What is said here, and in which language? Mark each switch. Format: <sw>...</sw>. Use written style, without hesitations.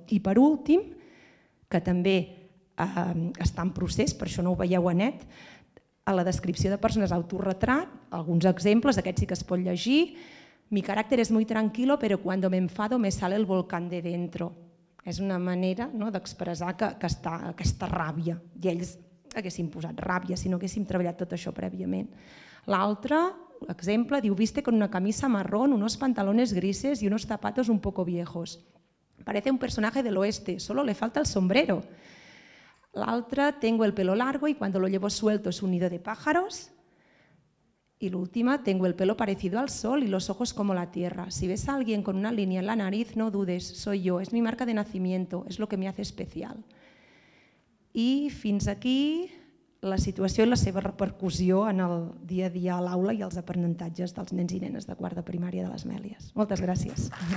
<ca>I per últim, que també està en procés, per això no ho veieu a net, a la descripció de persones autorretrat, alguns exemples, aquest sí que es pot llegir:</ca> <es>mi carácter es muy tranquilo, pero cuando me enfado me sale el volcán de dentro.</es> <ca>És una manera, no, d'expressar que està aquesta ràbia. I ells haguessin posat ràbia si no haguéssim treballat tot això prèviament. L'altre exemple diu:</ca> <es>viste con una camisa marrón, unos pantalones grises y unos zapatos un poco viejos. Parece un personaje del oeste, solo le falta el sombrero.</es> <ca>L'altre:</ca> <es>tengo el pelo largo y cuando lo llevo suelto es un nido de pájaros. Y la última: tengo el pelo parecido al sol y los ojos como la tierra. Si ves a alguien con una línea en la nariz, no dudes, soy yo, es mi marca de nacimiento, es lo que me hace especial.</es> <ca>I fins aquí la situació i la seva repercussió en el dia a dia a l'aula i els aprenentatges dels nens i nenes de quart de primària de les Mèlies. Moltes gràcies.</ca>